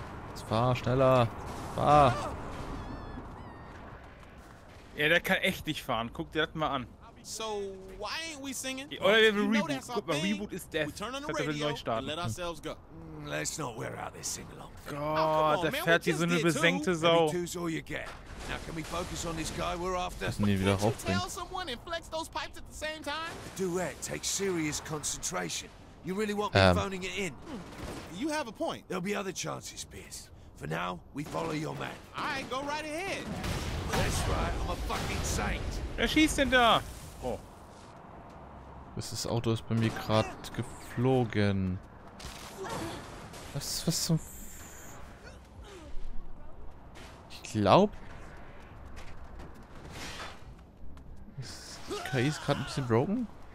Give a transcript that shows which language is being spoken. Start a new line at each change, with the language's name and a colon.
German: Jetzt fahr schneller. Fahr. Ja, der kann echt nicht fahren. Guck dir das mal an.
English: So, why ain't we singing?
German: Oder wir reboot. Guck mal, Reboot ist death. Kannst du den neu starten?
English: Let's not wear out this single long thing. God, oh, come on, man, we just did two. Every two's all you get. Now, can we focus on this guy we're after? Can't you tell someone and flex those pipes at the same time? A duet takes serious concentration. You really want me phoning it in? You have a point. There'll be other chances, Pierce. For now, we follow your man. All right, go right ahead. That's right, I'm a fucking saint.
German: Wer schießt denn da? Oh. Das Auto ist bei mir gerade geflogen. Was zum. Ich glaube. Die KI ist gerade ein bisschen broken.